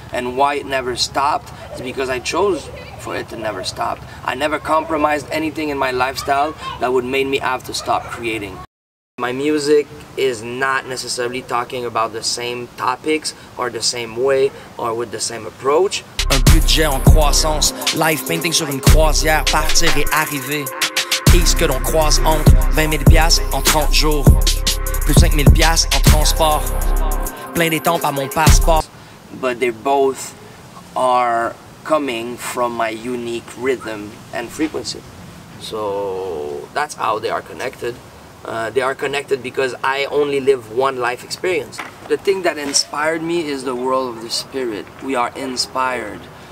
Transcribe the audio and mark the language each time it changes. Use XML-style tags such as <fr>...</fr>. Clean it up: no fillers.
<en>And why it never stopped is because I chose for it to never stop. I never compromised anything in my lifestyle that would make me have to stop creating. My music is not necessarily talking about the same topics or the same way or with the same approach.</en> <fr>Un budget en croissance,</fr> <en>life painting</en> <fr>sur une croisière, partir et arriver. X que l'on croise entre 20 000 en 30 jours, plus 5 000 en transport, plein d'étampes à mon passeport.</fr> <en>But they both are coming from my unique rhythm and frequency. So that's how they are connected. They are connected because I only live one life experience. The thing that inspired me is the world of the spirit. We are inspired.</en>